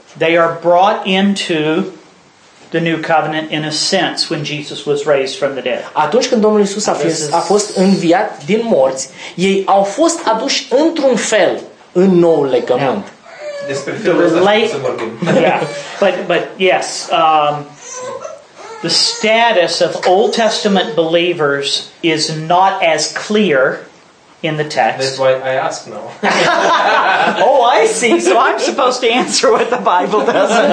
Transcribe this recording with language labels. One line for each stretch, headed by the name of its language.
English: They are brought into the new covenant in a sense when Jesus was raised from the dead.
Romanian: Atunci când Domnul Iisus a fost înviat din morți, ei au fost aduși într-un fel în nou legământ.
English: Yeah.
Romanian: Despre felul ăsta să vorbim.
English: Yeah. But yes, the status of Old Testament believers is not as clear in the text. That's why I ask now. Oh, I see. So I'm supposed to answer what the Bible does.